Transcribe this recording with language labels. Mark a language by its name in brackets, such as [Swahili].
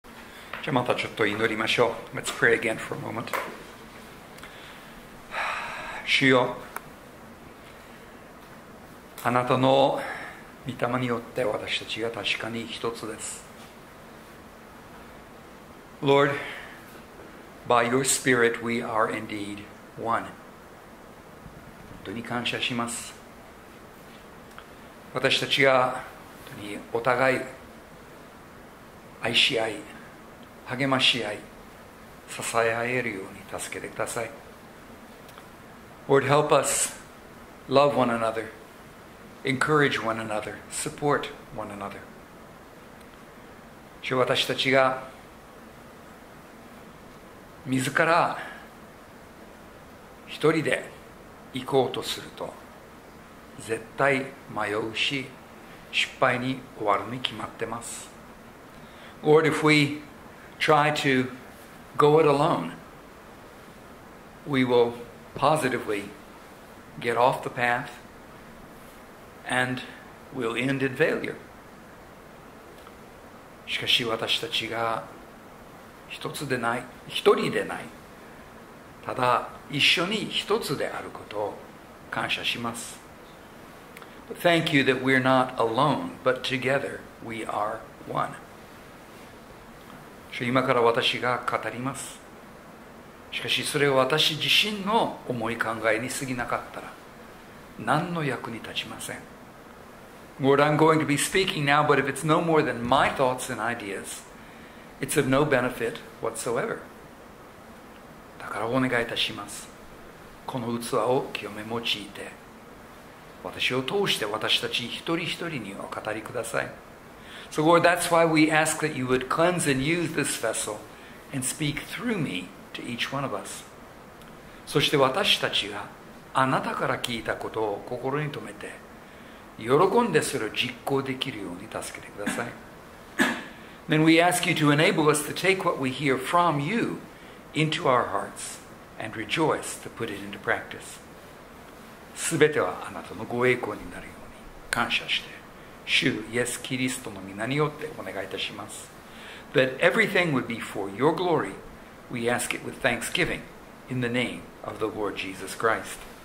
[Japanese] じゃあまたちょっと祈りましょう。 [English] Let's pray again for a moment. [Japanese] 主よ、あなたの御霊によって私たちが確かに一つです。 [English] Lord, by your spirit we are indeed one. [Japanese] 本当に感謝します。私たちが本当にお互い愛し合い、励まし合い、支え合えるように助けてください。 [English] Lord, help us love one another, encourage one another, support one another. [Japanese] 主、私たちが自ら一人で行こうとすると、絶対迷うし、失敗に終わるに決まってます。 [English] Lord, if we try to go it alone, we will positively get off the path and we'll end in failure. [Japanese] しかし私たちが一人でない、ただ一緒に一つであることを感謝します。 [English] But thank you that we're not alone, but together we are one. [Japanese] 今から私が語ります。しかしそれは私自身の思い考えに過ぎなかったら何の役に立ちません。 [English] Lord, I'm going to be speaking now, but if it's no more than my thoughts and ideas, it's of no benefit whatsoever. [Japanese] だからお願いいたします。この器を清め用いて、私を通して私たち一人一人にお語りください。 [English] So Lord, that's why we ask that you would cleanse and use this vessel and speak through me to each one of us. [Japanese] そして私たちがあなたから聞いたことを心に留めて、喜んでそれを実行できるように助けてください。 [English] Then we ask you to enable us to take what we hear from you into our hearts and rejoice to put it into practice. [Japanese] すべてはあなたのご栄光になるように感謝して。主イエス・キリストの名によってお願いいたします。 [English] That everything would be for your glory, we ask it with thanksgiving in the name of the Lord Jesus Christ.